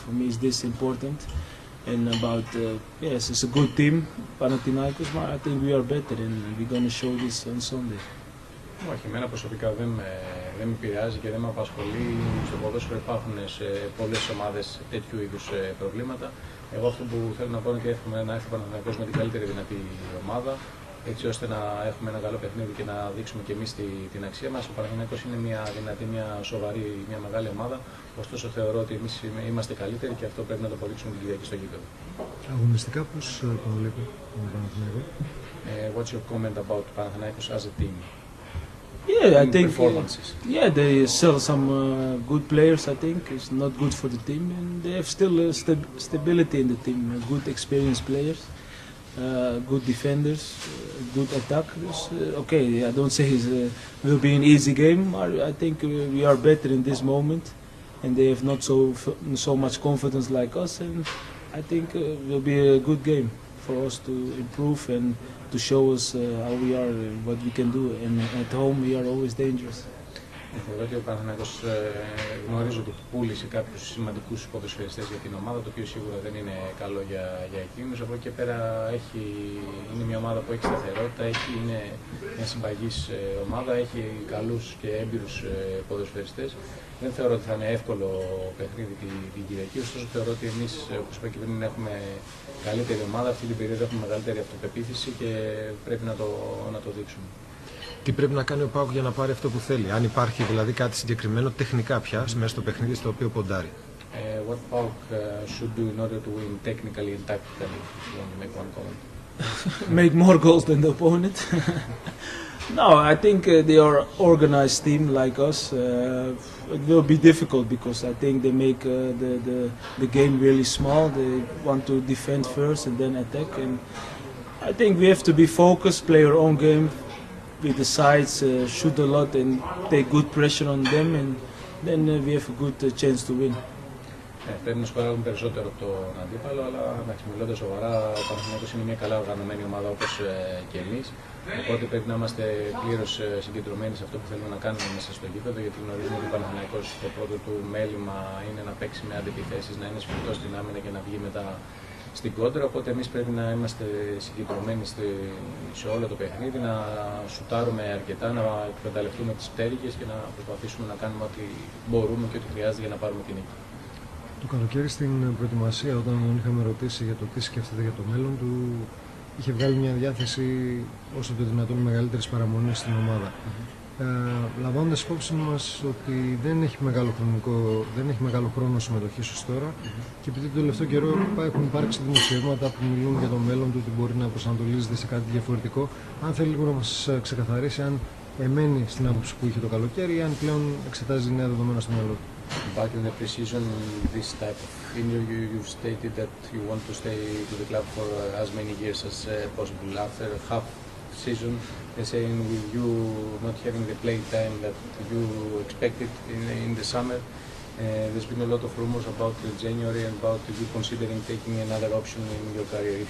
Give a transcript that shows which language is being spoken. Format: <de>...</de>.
<en>For me, is this important. And about yes, it's a good team, Panathinaikos. But I think we are better, and we're gonna show this on Sunday.</en> <el>Όχι, εμένα προσωπικά δεν με πειράζει και δεν με απασχολεί. Στο ποδόσφαιρο υπάρχουν σε πολλές ομάδες τέτοιου είδους προβλήματα. Εγώ αυτό που θέλω να πω είναι ότι εύχομαι να έρθει ο Παναθηναϊκός με την καλύτερη δυνατή ομάδα, έτσι ώστε να έχουμε ένα καλό παιχνίδι και να δείξουμε και εμείς την αξία μας. Ο Παναθηναϊκός είναι μια δυνατή, μια σοβαρή, μια μεγάλη ομάδα. Ωστόσο, θεωρώ ότι εμείς είμαστε καλύτεροι και αυτό πρέπει να το αποδείξουμε την Κυριακή στο γήπεδο. Αγωνιστικά, πώς τον βλέπω τον Παναθηναϊκό?</el> <en>What's your comment about Panathinaikos as a team? Yeah, I think they sell some good players. I think it's not good for the team, and they have still stability in the team. Good experienced players, good defenders, good attackers. Okay, I don't say it will be an easy game. I think we are better in this moment, and they have not so much confidence like us. And I think it will be a good game for us to improve and to show us how we are, what we can do, and at home we are always dangerous.</en> <el>Θεωρώ ότι ο Παναθηναϊκός γνωρίζει ότι πούλησε κάποιους σημαντικούς ποδοσφαιριστές για την ομάδα, το οποίο σίγουρα δεν είναι καλό για εκείνους. Από εκεί και πέρα είναι μια ομάδα που έχει σταθερότητα, είναι μια συμπαγής ομάδα, έχει καλούς και έμπειρους ποδοσφαιριστές. Δεν θεωρώ ότι θα είναι εύκολο παιχνίδι την Κυριακή, ωστόσο θεωρώ ότι εμείς, όπως είπα και πριν, έχουμε καλύτερη ομάδα. Αυτή την περίοδο έχουμε μεγαλύτερη αυτοπεποίθηση και πρέπει να το δείξουμε. Τι πρέπει να κάνει ο ΠΑΟΚ για να πάρει αυτό που θέλει, αν υπάρχει δηλαδή κάτι συγκεκριμένο τεχνικά πια μέσα στο παιχνίδι στο οποίο ποντάρει?</el> <en>What ΠΑΟΚ should do in order to win technically and tactically, if you want to make one comment? Make more goals than the opponent. No, I think they are organized team like us. It will be difficult because I think they make the game really small. They want to defend first and then attack. And I think we have to be focused, play our own game with the sides, shoot a lot and take good pressure on them, and then we have a good chance to win.</en> <el>Πρέπει να σκοράρουν περισσότερο από τον αντίπαλο, αλλά μιλώντας σοβαρά, ο Παναθηναϊκός είναι μια καλά οργανωμένη ομάδα όπως και εμείς. Οπότε πρέπει να είμαστε πλήρως συγκεντρωμένοι σε αυτό που θέλουμε να κάνουμε μέσα στο γήπεδο, γιατί γνωρίζουμε ότι ο Παναθηναϊκός το πρώτο του μέλημα είναι να παίξει με αντιπιθέσεις, να είναι σφιχτός στην άμυνα και να βγει μετά στην κόντρα. Οπότε εμείς πρέπει να είμαστε συγκεντρωμένοι σε όλο το παιχνίδι, να σουτάρουμε αρκετά, να εκμεταλλευτούμε τις πτέρυγες και να προσπαθήσουμε να κάνουμε ό,τι μπορούμε και ό,τι χρειάζεται για να πάρουμε την νίκη. Το καλοκαίρι στην προετοιμασία, όταν τον είχαμε ρωτήσει για το τι σκέφτεται για το μέλλον του, είχε βγάλει μια διάθεση όσο το δυνατόν μεγαλύτερες παραμονές στην ομάδα. Λαμβάνοντας υπόψη μας ότι δεν έχει μεγάλο χρονικό, δεν έχει μεγάλο χρόνο συμμετοχής ως τώρα και επειδή τον τελευταίο καιρό έχουν υπάρξει δημοσιεύματα που μιλούν για το μέλλον του, ότι μπορεί να προσανατολίζεται σε κάτι διαφορετικό, αν θέλει λίγο να μας ξεκαθαρίσει αν εμένει στην άποψη που είχε το καλοκαίρι ή αν πλέον εξετάζει νέα δεδομένα στο μέλλον.</el> <en>Back in the pre-season, this type of interview, you stated that you want to stay to the club for as many years as possible. After half season, they're saying with you not having the play time that you expected in the summer, there's been a lot of rumors about January and about you considering taking another option in your career.</en>